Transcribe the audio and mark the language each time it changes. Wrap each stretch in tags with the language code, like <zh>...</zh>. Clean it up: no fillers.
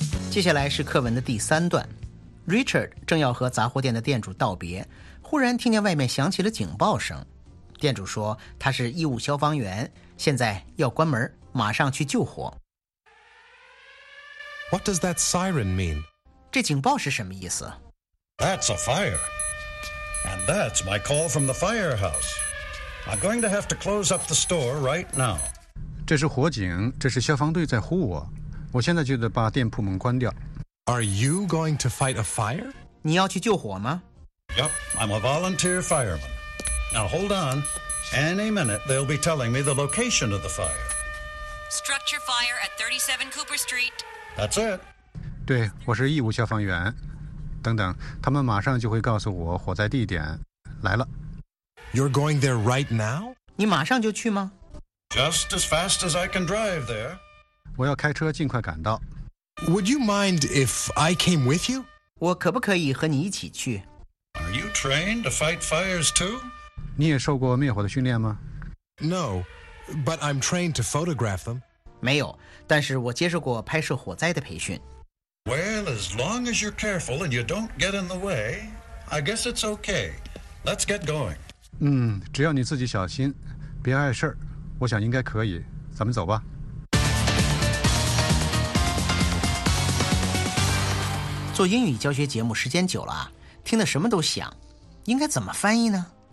<zh>接下来是课文的第三段， Richard 正要和杂货店的店主道别，忽然听见外面响起了警报声，店主说他是义务消防员，现在要关门，马上去救火。</zh> <en>What does that siren mean?</en> <zh>这警报是什么意思？</zh> <en>That's a fire. And that's my call from the firehouse. I'm going to have to close up the store right now.</en> <zh>这是火警，这是消防队在呼我，我现在就得把店铺门关掉。</zh> <en>Are you going to fight a fire?</en> <zh>你要去救火吗？</zh> <en>Yep, I'm a volunteer fireman. Now hold on. Any minute they'll be telling me the location of the fire. Structure fire at 37 Cooper Street. That's it.</en> <zh>对，我是义务消防员。等等，他们马上就会告诉我火灾地点。来了。</zh> <en>You're going there right now?</en> <zh>你马上就去吗？</zh> <en>Just as fast as I can drive there.</en> <zh>我要开车尽快赶到。</zh> <en>Would you mind if I came with you?</en> <zh>我可不可以和你一起去？</zh> <en>Are you trained to fight fires too?</en> <zh>你也受过灭火的训练吗？</zh> <en>No, but I'm trained to photograph them.</en> <zh>没有，但是我接受过拍摄火灾的培训。</zh> <en>Well, as long as you're careful and you don't get in the way, I guess it's okay. Let's get going.</en> <zh>只要你自己小心，别碍事儿，我想应该可以，咱们走吧。做英语教学节目时间久了啊，听得什么都响，应该怎么翻译呢？</zh>